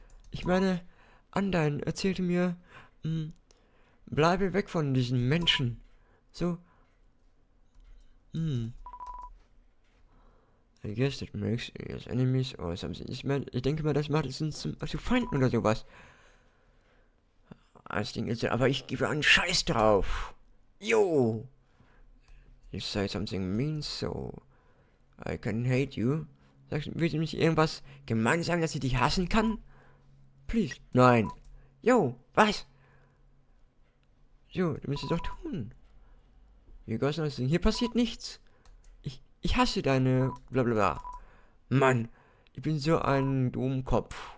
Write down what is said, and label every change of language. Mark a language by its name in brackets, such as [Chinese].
[German] Ich meine, Undyne erzählte mir, bleibe weg von diesen Menschen. So. [English] I guess it makes us enemies or something. [German] Ich denke mal, das macht es uns zu Feinden oder sowas. Das Ding ist ja, aber ich gebe einen Scheiß drauf. [English] Yo! You say something mean, so I can hate you. [German] Sagst du, willst du nicht irgendwas gemein sagen, dass ich dich hassen kann? Please. Nein. Yo, was? Yo, du musst es doch tun. [English] You got something. [German] Hier passiert nichts. Ich hasse deine blablabla. Mann, ich bin so ein Dummkopf.